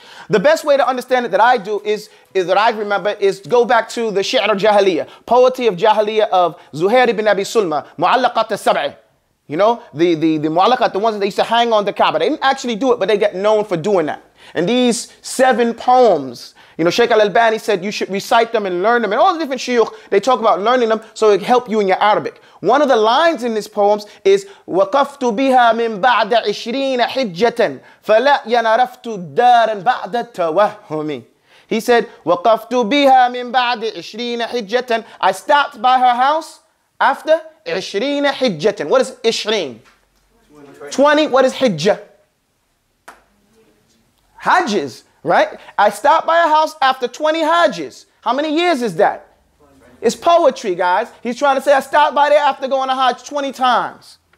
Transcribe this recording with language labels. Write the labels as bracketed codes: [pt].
[en] The best way to understand it that I do is that I remember is go back to the Shi'r al-Jahiliyyah, poetry of Jahiliyyah of Zuhair ibn Abi Sulma, Mu'allaqat al-Sab'i. You know, the Mu'allaqat, the ones that they used to hang on the Kaaba. They didn't actually do it, but they get known for doing that. And these seven poems, you know, Sheikh al-Albani said you should recite them and learn them. And all the different shuyukh, they talk about learning them so it help you in your Arabic. One of the lines in these poems is, [ar] وَقَفْتُ بِهَا مِنْ بَعْدَ عِشْرِينَ حِجَّةً فَلَا يَنَرَفْتُ دَارًا بَعْدَ تَوَهُمِ. [en] He said, [ar] وَقَفْتُ بِهَا مِنْ بَعْدِ عِشْرِينَ حِجَّةً. [en] I stopped by her house after 20 حِجَّةً. What is 20? 20, what is hijjah? Hajjis. Right? I stopped by a house after 20 hajjis. How many years is that? It's poetry, guys. He's trying to say, I stopped by there after going to hajj 20 times.